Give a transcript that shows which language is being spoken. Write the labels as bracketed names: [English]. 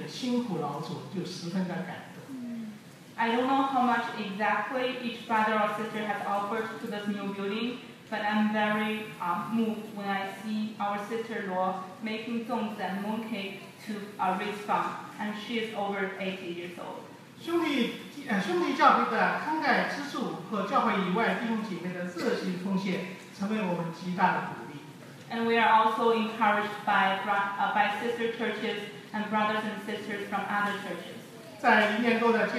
[Chinese] 我不知道每一位弟兄姐妹为健康奉献了多少，单看八十多岁的罗西恒阿姨啊，为了健康包粽子、做月饼的辛苦劳作，就十分的感动。 [English] I don't know how much exactly each brother or sister has offered to this new building, but I'm very moved when I see our sister Luo making 粽子 and mooncake to raise funds, and she is over 80 years old. [Chinese] 兄弟教会的慷慨资助和教会以外弟兄姐妹的热心奉献，成为我们极大的鼓励。 [English] And we are also encouraged by sister churches and brothers and sisters from other churches.